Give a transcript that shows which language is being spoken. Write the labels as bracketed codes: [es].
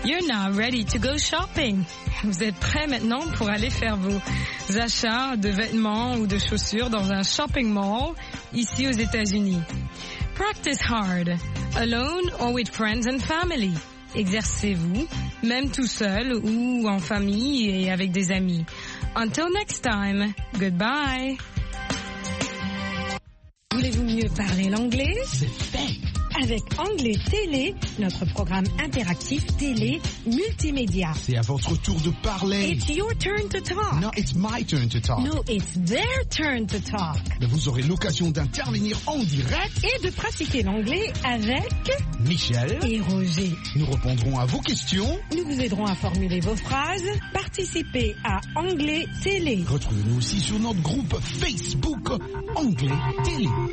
[en] Nina, ready to go shopping. [fr] Vous êtes prêt maintenant pour aller faire vos achats de vêtements ou de chaussures dans un shopping mall ici aux États-Unis. [en] Practice hard, alone or with friends and family. [fr] Exercez-vous, même tout seul ou en famille et avec des amis. [en] Until next time, goodbye. [fr] Voulez-vous mieux parler l'anglais? Avec Anglais Télé, notre programme interactif télé multimédia. C'est à votre tour de parler. [en] It's your turn to talk. No, it's my turn to talk. No, it's their turn to talk. [fr] Mais vous aurez l'occasion d'intervenir en direct. Et de pratiquer l'anglais avec... Michel. Et Roger. Nous répondrons à vos questions. Nous vous aiderons à formuler vos phrases. Participez à Anglais Télé. Retrouvez-nous aussi sur notre groupe Facebook Anglais Télé.